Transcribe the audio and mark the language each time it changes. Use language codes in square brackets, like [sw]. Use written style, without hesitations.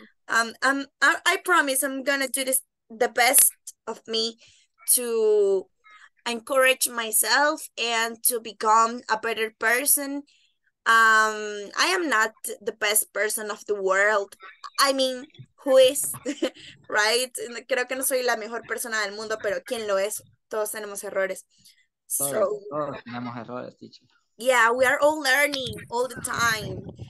[en] I promise I'm gonna do this the best of me to encourage myself and to become a better person. I am not the best person of the world. I mean, who is, right? [es] Creo que no soy la mejor persona del mundo, pero ¿quién lo es? Todos tenemos errores. Todos [en] So, [es] tenemos errores, dicho. [en] yeah, we are all learning all the time.